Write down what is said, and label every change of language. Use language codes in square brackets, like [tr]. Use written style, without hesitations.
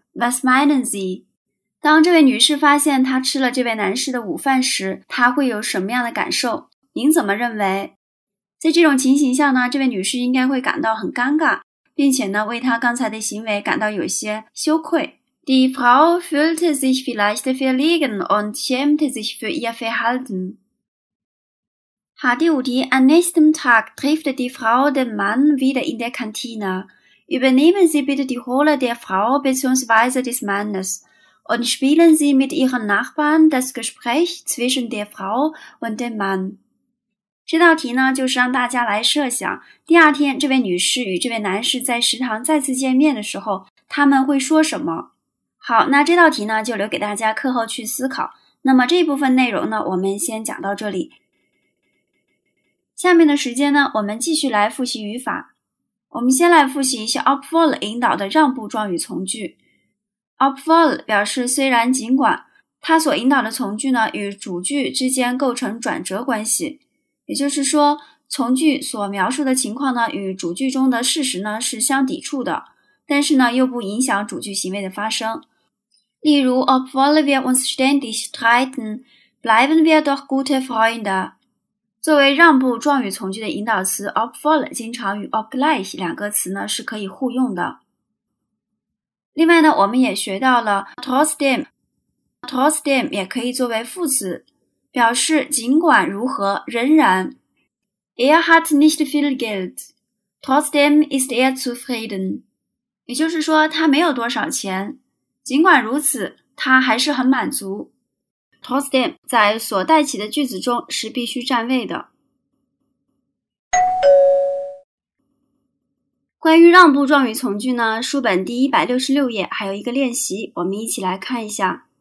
[de] Was meinen Sie? [zh] 当这位女士发现她吃了这位男士的午饭时她会有什么样的感受？您怎么认为？在这种情形下呢，这位女士应该会感到很尴尬，并且呢，为她刚才的行为感到有些羞愧。 [de] Die Frau fühlte sich vielleicht verlegen und schämte sich für ihr Verhalten. [zh] 好，第五题。 [de] Am nächsten Tag trifft die Frau den Mann wieder in der Kantine. Übernehmen Sie bitte die Rolle der Frau bzw. des Mannes und spielen Sie mit Ihren Nachbarn das Gespräch zwischen der Frau und dem Mann. [zh] 这道题呢就是让大家来设想第二天这位女士与这位男士在食堂再次见面的时候他们会说什么。好，那这道题呢就留给大家课后去思考。那么这部分内容呢我们先讲到这里。下面的时间呢我们继续来复习语法。我们先来复习一些 obwohl 引导的让步状语从句。 obwohl 表示虽然尽管，它所引导的从句呢与主句之间构成转折关系。也就是说，从句所描述的情况呢，与主句中的事实呢是相抵触的，但是呢又不影响主句行为的发生。例如 [de] ，Obwohl wir uns ständig streiten, bleiben wir doch gute Freunde。 [zh] 作为让步状语从句的引导词 ，Obwohl 经常与 obgleich 两个词呢是可以互用的。另外呢，我们也学到了 trotzdem 也可以作为副词。表示尽管如何，仍然。 [de] hat nicht viel Geld, trotzdem ist zufrieden. [zh] 也就是说，他没有多少钱，尽管如此，他还是很满足。 trotzdem 在所带起的句子中是必须占位的。关于让步状语从句呢，书本第166页还有一个练习，我们一起来看一下。